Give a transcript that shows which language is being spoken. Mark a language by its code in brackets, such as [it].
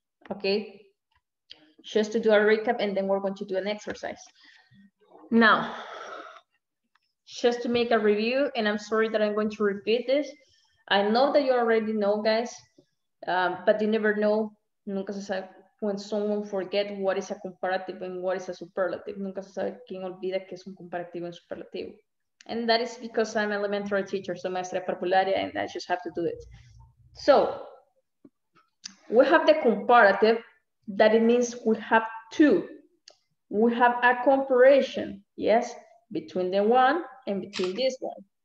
[en] Okay, just to do a recap and then we're going to do an exercise. Now, just to make a review, and I'm sorry that I'm going to repeat this. I know that you already know, guys, but you never know. [es] Nunca se sabe. [en] When someone forget what is a comparative and what is a superlative. [es] Nunca se sabe quien olvida que es un comparativo y un superlativo. [en] And that is because I'm an elementary teacher, so [es] maestra parvularia, [en] and I just have to do it. So, we have the comparative, that it means we have two. We have a comparison, yes, between the one and between this one.